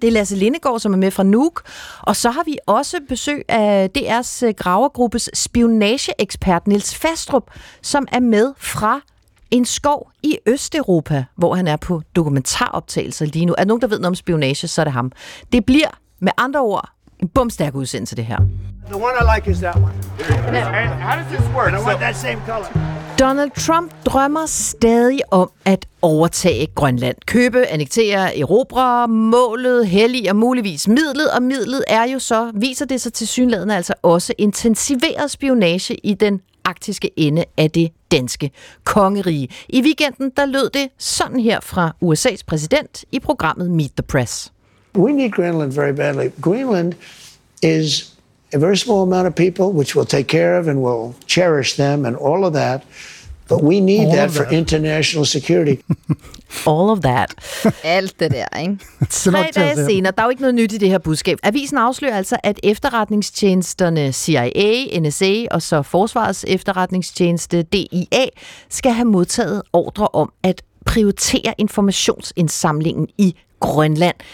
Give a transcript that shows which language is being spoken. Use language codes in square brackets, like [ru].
[da] Det er Lasse Lindegaard, som er med fra Nuuk. Og så har vi også besøg af DR's gravergruppes spionageekspert, Niels Fastrup, som er med fra en skov i Østeuropa, hvor han er på dokumentaroptagelser lige nu. Er nogen, der ved noget om spionage, så er det ham. Det bliver med andre ord en bumstærk udsendelse, det her. [en] The one I like is that one. And how does this work? And I want that same color. [da] Donald Trump drømmer stadig om at overtage Grønland. Købe, annektere, erobre, målet, hellig og muligvis midlet. Og midlet er jo så, viser det sig tilsyneladende, altså også intensiveret spionage i den arktiske ende af det danske kongerige. I weekenden der lød det sådan her fra USA's præsident i programmet Meet the Press. [en] We need Greenland very badly. Greenland is a very small amount of people, which we'll take care of and we'll cherish them and all of that. But we need all that for international security. All of that. [da] Alt det der, ikke? Tre dage senere, der er jo ikke noget nyt i det her budskab. Avisen afslører altså, at efterretningstjenesterne CIA, NSA og så Forsvarets efterretningstjeneste DIA skal have modtaget ordre om at prioritere informationsindsamlingen i Grønland.